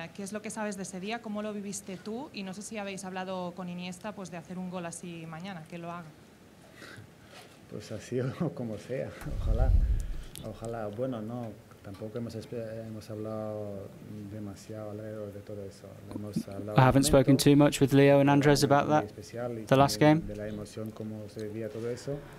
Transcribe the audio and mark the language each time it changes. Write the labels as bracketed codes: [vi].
[es] ¿Qué es lo que sabes de ese día? ¿Cómo lo viviste tú? Y no sé si habéis hablado con Iniesta, pues, de hacer un gol así mañana, que lo haga. Pues así o como sea, ojalá. Ojalá. Bueno, no, tampoco hemos hablado demasiado alrededor de todo eso. [en] I haven't spoken too much with Leo and Andres about that, the last game. [es] De la emoción como se vivía todo eso.